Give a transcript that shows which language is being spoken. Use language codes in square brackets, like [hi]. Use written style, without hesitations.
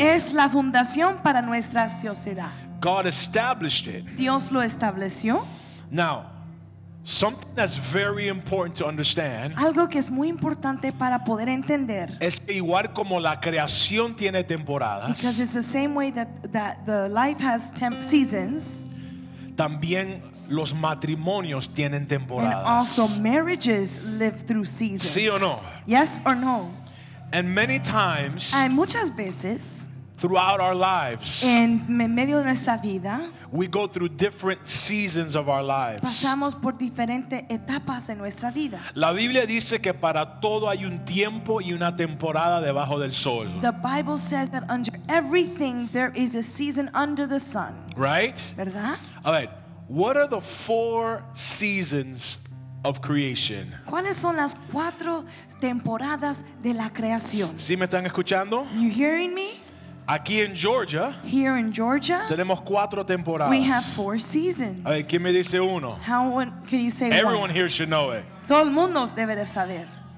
[es] Es la fundación para nuestra sociedad. [en] God established it. [es] Dios lo estableció. [en] Now, something that's very important to understand. [es] Algo que es muy importante para poder entender. Es que igual como la creación tiene temporadas. [en] Because it's the same way that the life has seasons. [es] También los matrimonios tienen temporadas. [en] And also marriages live through seasons. [es] ¿Sí o no? [en] Yes or no? And many times. [es] Y muchas veces. [en] Throughout our lives. [es] En medio de nuestra vida. [en] We go through different seasons of our lives. [es] Pasamos por diferentes etapas en nuestra vida. La Biblia dice que para todo hay un tiempo y una temporada debajo del sol. [en] The Bible says that under everything there is a season under the sun. Right? [es] ¿Verdad? A ver, [en] what are the four seasons of creation? [es] ¿Cuáles son las cuatro temporadas de la creación? ¿Sí me están escuchando? [en] You hearing me? [es] Aquí en Georgia, [en] here in Georgia, [es] tenemos cuatro temporadas. [en] We have four seasons. [es] A ver, ¿quién me dice uno? [en] How can you say everyone Here should know it. [es] Todo el mundo debe de saber.